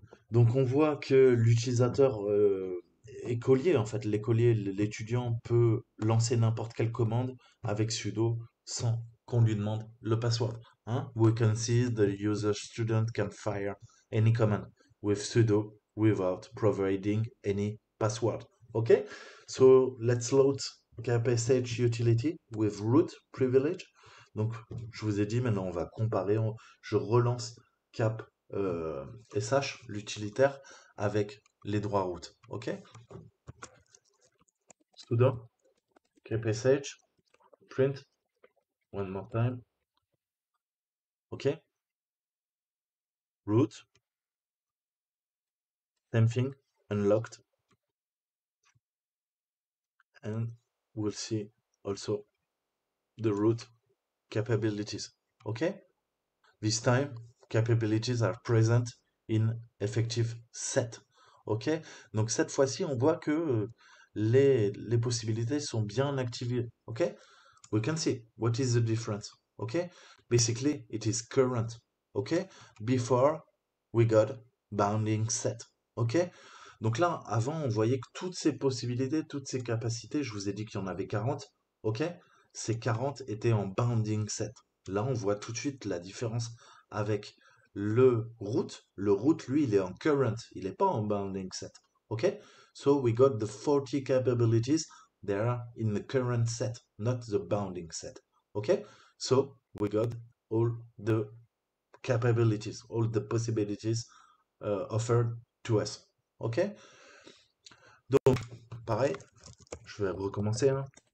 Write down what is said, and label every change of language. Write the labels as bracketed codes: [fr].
[fr] Donc, on voit que l'utilisateur écolier, en fait, l'écolier, l'étudiant peut lancer n'importe quelle commande avec sudo sans qu'on lui demande le password. [en] We can see the user student can fire any command with sudo without providing any password. OK? So let's load kpsh utility with root privilege. [fr] Donc, je vous ai dit, maintenant on va comparer. Je relance cap SH, l'utilitaire, avec les droits routes. [en] OK? Sudo cap SH, print, one more time. OK? Root, same thing, unlocked. And we'll see also the root capabilities. Okay? This time, capabilities are present in effective set. Okay? [fr] Donc cette fois-ci, on voit que les possibilités sont bien activées. [en] Okay? We can see what is the difference. Okay? Basically, it is current. Okay? Before, we got bounding set. Okay? [fr] Donc là, avant, on voyait que toutes ces possibilités, toutes ces capacités, je vous ai dit qu'il y en avait 40, ok? Ces 40 étaient en bounding set. Là, on voit tout de suite la différence avec le root. Le root, lui, il est en current, il n'est pas en bounding set, ok? [en] So, we got the 40 capabilities, they are in the current set, not the bounding set, ok? So, we got all the capabilities, all the possibilities offered to us. [fr] OK? Donc, pareil, je vais recommencer. Hein.